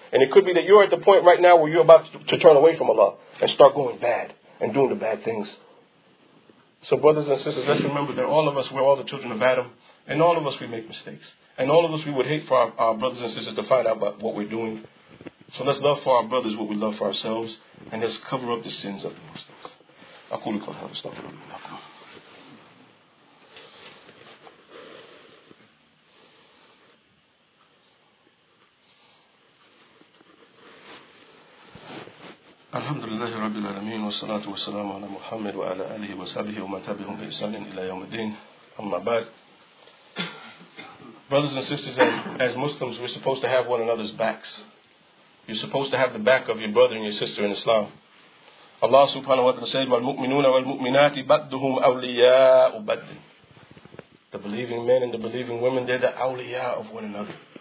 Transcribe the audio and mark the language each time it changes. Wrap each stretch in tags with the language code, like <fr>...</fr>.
<en>And it could be that you're at the point right now where you're about to turn away from Allah and start going bad and doing the bad things. So brothers and sisters, let's remember that all of us, we're all the children of Adam. And all of us, we make mistakes. And all of us, we would hate for our brothers and sisters to find out about what we're doing. So let's love for our brothers what we love for ourselves, and let's cover up the sins of the Muslims.</en> <ar>أقول لكم هذا استغفر الله لكم. الحمد لله رب العالمين والصلاة والسلام على محمد وعلى آله وصحبه ومن تبعهم بإحسان إلى يوم الدين. أما بعد.</ar> <en>Brothers and sisters, as Muslims, we're supposed to have one another's backs. You're supposed to have the back of your brother and your sister in Islam. Allah subhanahu wa ta'ala said,</en> <ar>وَالْمُؤْمِنُونَ وَالْمُؤْمِنَاتِ بَدُّهُمْ أَوْلِيَاءُ بَدٍ.</ar> <en>The believing men and the believing women, they're the awliya of one another.</en>